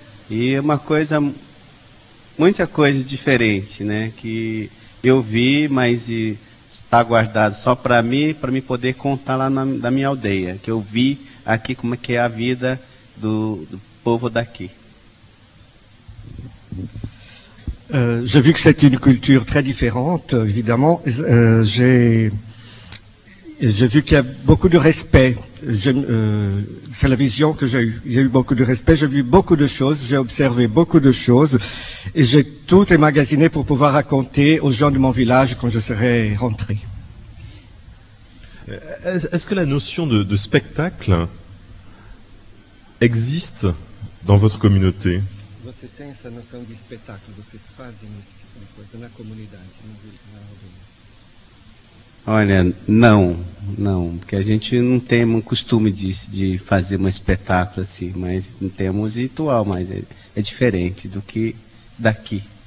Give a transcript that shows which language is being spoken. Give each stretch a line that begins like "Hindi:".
Portuguese: E é uma coisa, muita coisa diferente, né? Que eu vi, mas está guardado só para mim poder contar lá na minha aldeia, que eu vi aqui como é que é a vida do povo daqui.
French: J'ai vu que c'est une culture très différente, évidemment. J'ai vu qu'il y a beaucoup de respect. C'est la vision que j'ai eue. Il y a eu beaucoup de respect. J'ai vu beaucoup de choses. J'ai observé beaucoup de choses. Et j'ai tout émagasiné pour pouvoir raconter aux gens de mon village quand je serai rentré. Est-ce que la notion de spectacle existe dans votre communauté?
Portuguese: Vocês têm essa noção de espetáculo? Vocês fazem esse tipo de coisa na comunidade? Olha, não, não. Porque a gente não tem um costume de fazer um espetáculo assim, mas temos ritual, mas é diferente do que daqui.